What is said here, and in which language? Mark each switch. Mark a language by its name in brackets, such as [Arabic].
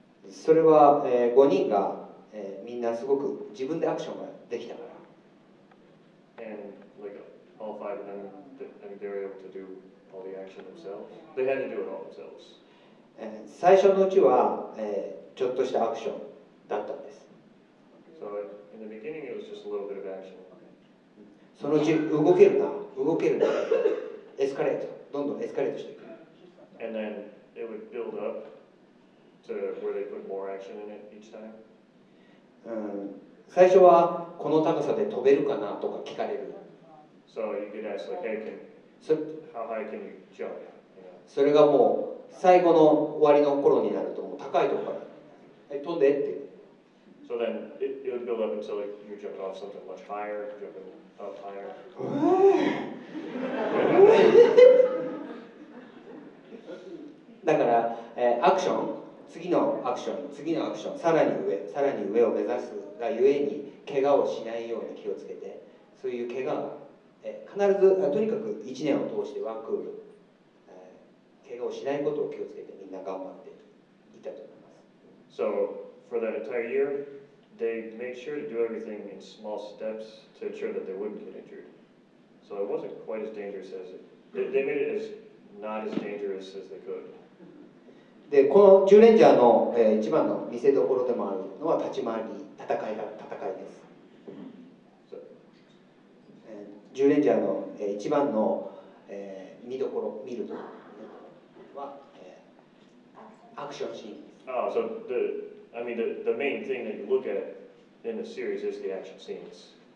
[Japanese] それは、5人が、みんなすごく自分でアクションができたから。 [English] And like all five of them, I mean, they were able to do all the action themselves. They had to do it all themselves. [Japanese] 最初のうちは、ちょっとしたアクションだったんです。 [English] So in the beginning it was just a little bit of action. [Japanese] そのうち動けるな、動けるな。エスカレート、どんどんエスカレートしていく。 [English] And then it would build up. To where they put more action in it each time? [Japanese] 最初はこの高さで飛べるかなとか聞かれる。 [English] So you could ask, like, hey, can, so, how high can you jump? You know? [Japanese] それがもう最後の終わりの頃になると、もう高いところから、飛んでって。 [English] So then it would build up until like, you're jumping off something much higher, jumping up higher. [Japanese] だから、アクション。次のアクション、次のアクション、さらに上、さらに上を目指すがゆえに怪我をしないように気をつけて、そういう怪我が必ずとにかく1年を通してワンクール、怪我をしないことを気をつけてみんな頑張っていたと思います。 [English] So for that entire year, they made sure to do everything in small steps to ensure that they wouldn't get injured. So it wasn't quite as dangerous as it. They made it as not as dangerous as they could. [Japanese] でこのジュレンジャーの、一番の見せ所でもあるのは立ち回り戦いだ戦いです。 So, ジュレンジャーの、一番の、見所見るのは、アクションシーンです。 [English] Oh, so the, I mean the main thing that you look at in the series is the action scenes.